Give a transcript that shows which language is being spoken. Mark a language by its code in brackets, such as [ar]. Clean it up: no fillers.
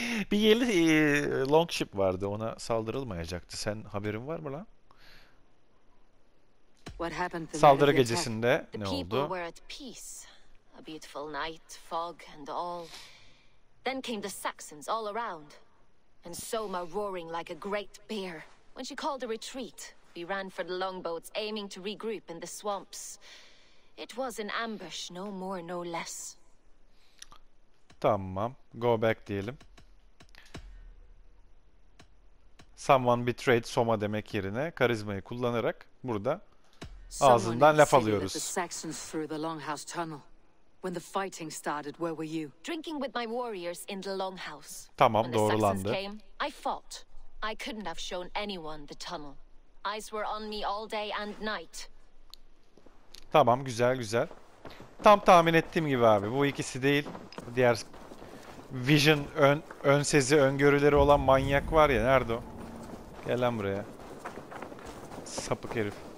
[tr] Bir yeli longship vardı. Ona saldırılmayacaktı. Sen haberin var mı lan? Saldırı gecesinde ne oldu? [en] A beautiful night, fog and all. Then came the Saxons all around. And Soma roaring like a great bear. When she called a retreat, we ran for the longboats, aiming to regroup in the swamps. It was an ambush, no more, no less. [tr] Tamam, [en] go back [tr] diyelim. [en] Someone betrayed Soma [tr] demek yerine karizmayı kullanarak burada ağzından laf alıyoruz. [en] Someone had said that the Saxons threw the Longhouse Tunnel. When the fighting started, where were you? Drinking with my warriors in the longhouse. [tr] Tamam, doğrulandı. [en] I fought. I couldn't have shown anyone the tunnel. Eyes were on me all day and night. [tr] Tamam, güzel güzel. Tam tahmin ettiğim gibi abi. Bu ikisi değil. Diğer Vision ön sezi, öngörüleri olan manyak var ya. Nerede o? Gel lan buraya. Sapık herif.